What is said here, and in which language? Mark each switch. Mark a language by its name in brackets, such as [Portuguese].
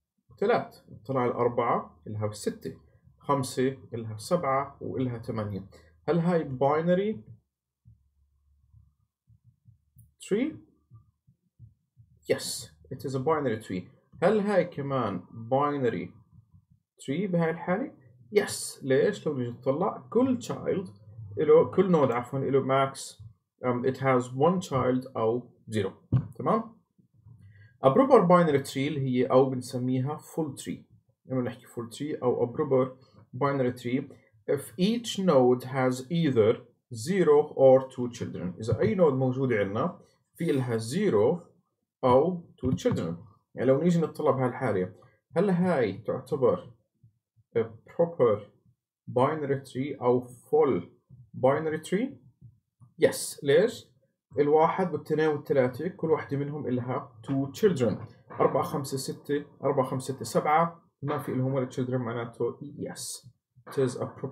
[Arabic] وثلاث نطلع على الأربعة إلها ستة خمسة إلها سبعة وإلها ثمانية هل هاي باينري تري؟ [English] Yes it is a binary tree [Arabic] هل هاي كمان باينري تري بهاي الحالة؟ Yes. ليش؟ لو نيجي نطلع كل child إلو كل node عفواً إلو max [English] it has one child [Arabic] أو zero. تمام؟ [English] A proper binary tree [Arabic] اللي هي أو بنسميها full tree. لما نحكي [English] full tree أو a proper binary tree if each node has either zero or two children. [Arabic] إذا أي node موجودة عندنا في إلها zero أو two children. يعني لو نيجي نطلع بهالحالة هل هاي تعتبر a proper binary tree أو full binary tree yes ليش الواحد والتنين والتلاتة كل واحدة منهم إلها two children أربعة خمسة ستة أربعة خمسة ستة سبعة ما في إلهم ولا children معناته [English] yes it is a